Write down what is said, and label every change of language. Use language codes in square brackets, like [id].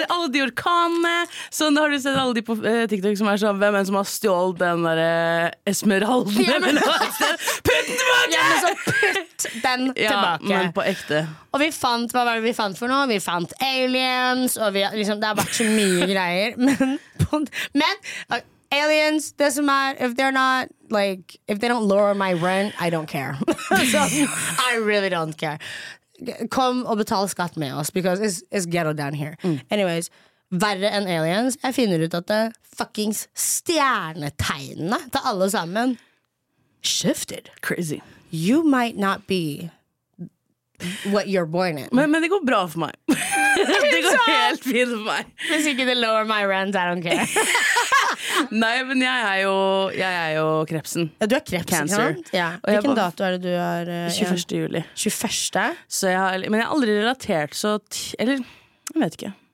[no] Alle de orkanene. Så nå har du sett alle de på TikTok som er sånn, hvem en som har stjålt den der esmeralden? Ja, men, putt den tilbake! Ja, men så putt den tilbake. Ja, men på ekte. Og vi fant, hva var det vi fant for noe? Vi fant aliens, og vi, liksom, det har vært så mye greier. Men aliens, det som er, [en] if they're not, like, if they don't lower my rent, I don't care. So, I really don't care. [no] Kom og betal skatt med oss, [en] because it's ghetto down here. Mm. Anyways, verre enn aliens, jeg finner ut at det fucking stjernetegnene til alle sammen shifted. Crazy. You might not be what you're born in. [no] Men det går bra for meg. Det går helt fint for meg. Hvis ikke det [en] lower my rent, I don't care. [no] Nei, men jeg er jo krepsen. Ja, du er krepsen, [en] cancer. [no] Ja. Hvilken dato er det du har? 21. juli. 21. Så jeg har, men jeg har aldri relatert, så eller, jeg vet ikke.